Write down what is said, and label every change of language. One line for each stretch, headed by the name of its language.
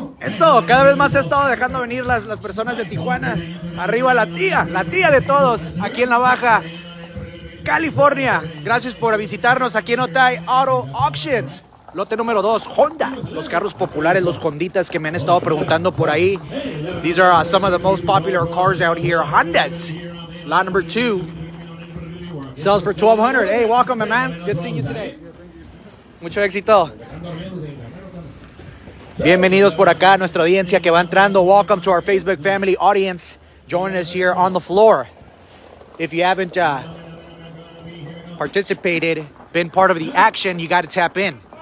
Spanish: Eso, cada vez más he estado dejando venir las personas de Tijuana. Arriba la tía de todos, aquí en la Baja California. Gracias por visitarnos aquí en Otay Auto Auctions. Lote número dos, Honda. Los carros populares, los Honditas que me han estado preguntando por ahí.
English: These are some of the most popular cars out here, Hondas. Lot number two sells for $1,200. Hey, welcome, my man. Good seeing you today.
Spanish: Mucho éxito. Bienvenidos por acá a nuestra audiencia que va entrando.
English: Welcome to our Facebook family audience. Join us here on the floor. If you haven't participated, been part of the action, you got to tap in.